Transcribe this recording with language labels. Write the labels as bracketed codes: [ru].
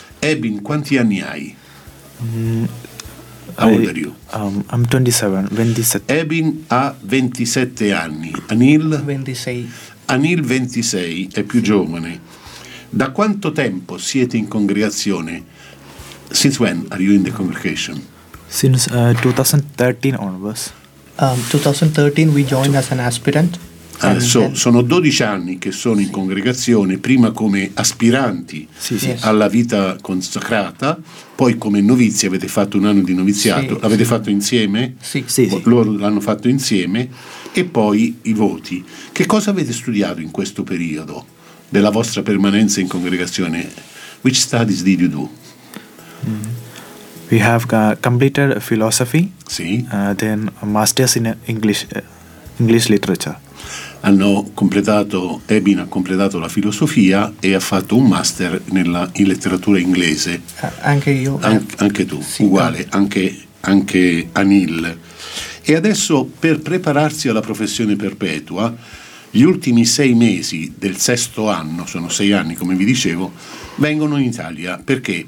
[it] Ebin, quanti anni hai? [en] How old are you? I'm 27. [it] Ebin ha 27 anni, Anil? 26. Anil 26, è più sì. Giovane. Da quanto tempo siete in congregazione? [en] Since when are you in the congregation? Since 2013 onwards. 2013 we joined as an aspirant. [it] Sono 12 anni che sono in congregazione, prima come aspiranti alla vita consacrata, poi come novizi, avete fatto un anno di noviziato, l'avete fatto insieme? Sì. Loro l'hanno fatto insieme, e poi i voti. Che cosa avete studiato in questo periodo della vostra permanenza in congregazione? [en] Which studies did you do? We have completed philosophy, [it] sì. [en] Then a master's in English literature. [it] Ebin ha completato la filosofia e ha fatto un master in letteratura inglese. Anche io. Anche tu, sì, uguale, anche Anil. E adesso, per prepararsi alla professione perpetua, gli ultimi 6 mesi del 6° anno, sono 6 anni come vi dicevo, vengono in Italia. Perché?